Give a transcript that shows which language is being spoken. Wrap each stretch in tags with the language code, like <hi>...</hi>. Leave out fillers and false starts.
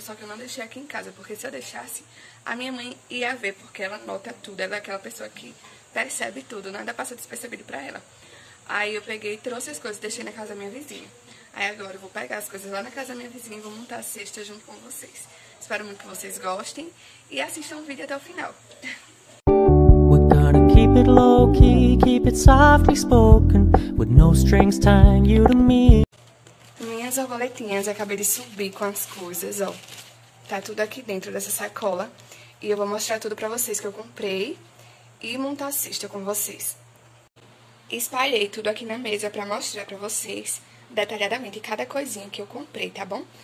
<pt>Só que eu não deixei aqui em casa, porque se eu deixasse, a minha mãe ia ver, porque ela nota tudo. Ela é aquela pessoa que percebe tudo, nada passa despercebido pra ela. Aí eu peguei e trouxe as coisas, deixei na casa da minha vizinha. Aí agora eu vou pegar as coisas lá na casa da minha vizinha e vou montar a cesta junto com vocês. Espero muito que vocês gostem e assistam o vídeo até o final.</pt> <en>We're gonna keep it low key, keep it softly spoken, with no strings tying you to me.</en> <pt>Minhas borboletinhas, acabei de subir com as coisas, ó. Tá tudo aqui dentro dessa sacola. E eu vou mostrar tudo pra vocês que eu comprei e montar a cesta com vocês. Espalhei tudo aqui na mesa pra mostrar pra vocês detalhadamente cada coisinha que eu comprei, tá bom?</pt>